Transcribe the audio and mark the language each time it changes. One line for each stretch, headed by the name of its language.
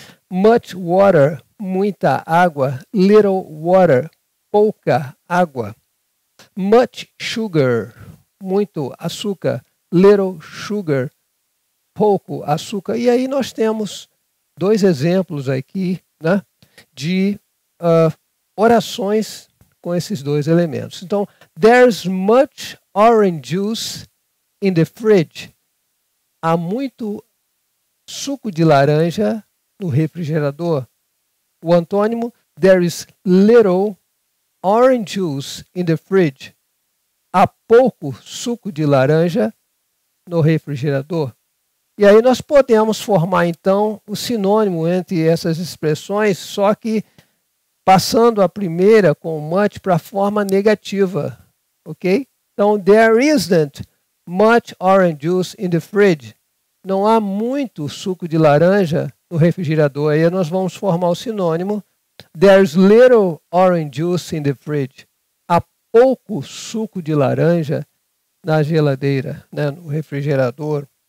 English: Much water,
Portuguese: muita água.
English: Little water,
Portuguese: pouca água.
English: Much sugar,
Portuguese: muito açúcar.
English: Little sugar,
Portuguese: pouco açúcar. E aí nós temos dois exemplos aqui, né, de orações com esses dois elementos. Então,
English: there's much orange juice in the fridge.
Portuguese: Há muito suco de laranja no refrigerador. O antônimo,
English: there is little orange juice in the fridge.
Portuguese: Há pouco suco de laranja no refrigerador. E aí nós podemos formar, então, o sinônimo entre essas expressões, só que passando a primeira com much para a forma negativa. Ok? Então,
English: there isn't much orange juice in the fridge.
Portuguese: Não há muito suco de laranja no refrigerador. Aí nós vamos formar o sinônimo.
English: There's little orange juice in the fridge.
Portuguese: Há pouco suco de laranja na geladeira, né, no refrigerador.